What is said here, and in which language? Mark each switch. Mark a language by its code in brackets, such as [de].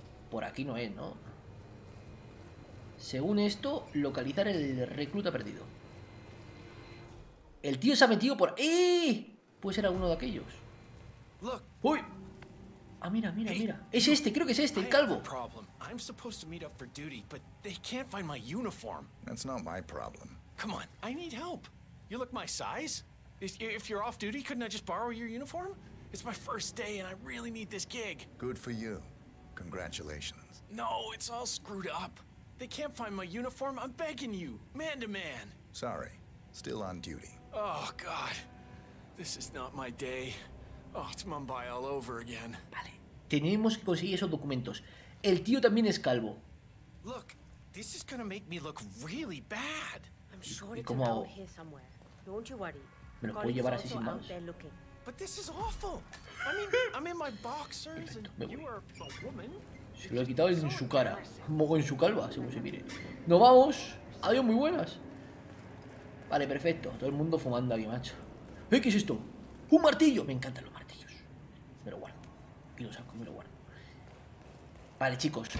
[es] Por aquí no es, ¿no? Según esto, localizar el recluta perdido. El tío se ha metido por. ¡Eh! Puede ser alguno de aquellos. ¡Uy! Ah, mira, mira, mira. Es este, creo que es este, el calvo. [en] I'm supposed to meet up for duty, but they can't find my uniform. That's not my problem. Come on, I need help. You look my size. If you're off duty, couldn't I just borrow your uniform? It's my first day and I really need this gig. Good for you. Congratulations. No, it's all screwed up. They can't find my uniform. I'm begging you, man to man. Sorry. Still on duty. Oh god. This is not my day. Oh, it's Mumbai all over again. [es] Vale. Tenemos que conseguir esos documentos. El tío también es calvo. [en] Look, this is going to make me look really bad. I'm sure it's out here somewhere. Don't you worry. [es] Me lo puedo llevar así sin más. [en] But this is awful. I mean, I'm in my boxers and you are a woman. [es] Se lo ha quitado en su cara. Un poco en su calva, según se mire. Nos vamos. Adiós, muy buenas. Vale, perfecto. Todo el mundo fumando aquí, macho. ¿Eh, qué es esto? ¡Un martillo! Me encantan los martillos. Me lo guardo. Y lo saco, me lo guardo. Vale, chicos.